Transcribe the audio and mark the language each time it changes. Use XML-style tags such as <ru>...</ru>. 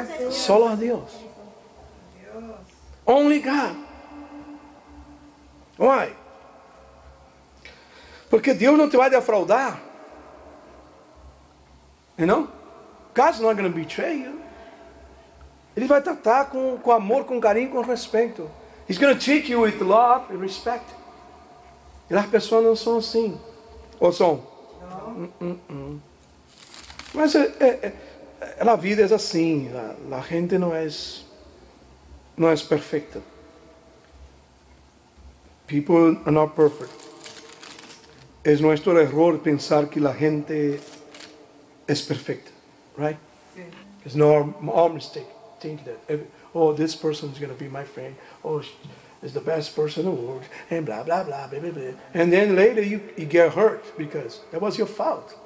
<pt>Só a Deus.</pt> <en>Only God. Why?</en> <pt>Porque Deus não te vai defraudar.</pt> <en>You know? God's not going to betray you.</en> <pt>Ele vai tratar com amor, com carinho, com respeito.</pt> <en>He's going to treat you with love and respect.</en> <pt>E as pessoas não são assim. Ou são? Não. Mas a vida é assim. A gente não é perfeita.</pt> <en>People are not perfect.</en> <pt>É nosso erro pensar que a gente é perfeita, right? Sim.</pt> <en>It's our mistake. Think that this person is going to be my friend. Oh, she's the best person in the world. And blah blah blah blah blah. Blah. And then later you get hurt because that was your fault.</en>